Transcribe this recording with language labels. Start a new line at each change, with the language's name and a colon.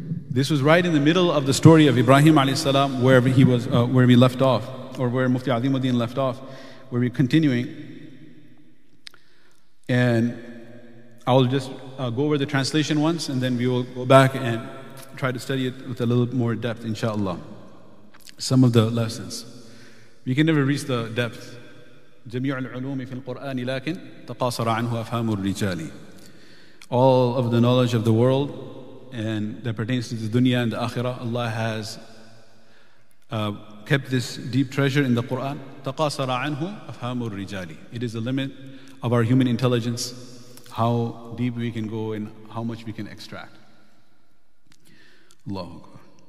English: This was right in the middle of the story of Ibrahim alayhi salam, where he was, where we left off, or where Mufti Azimuddin left off, where we're continuing. And I will just go over the translation once, and then we will go back and try to study it with a little more depth, inshallah. Some of the lessons. We can never reach the depth.
Arabic: جميع العلوم في القرآن لكن تقاصر عنه أفهام الرجال.
English: All of the knowledge of the world and that pertains to the dunya and the akhirah, Allah has kept this deep treasure in the Quran. تَقَاصَرَ عَنْهُ أَفْهَامُ الرِّجَالِ. It is the limit of our human intelligence, how deep we can go and how much we can extract. Allahu Akbar.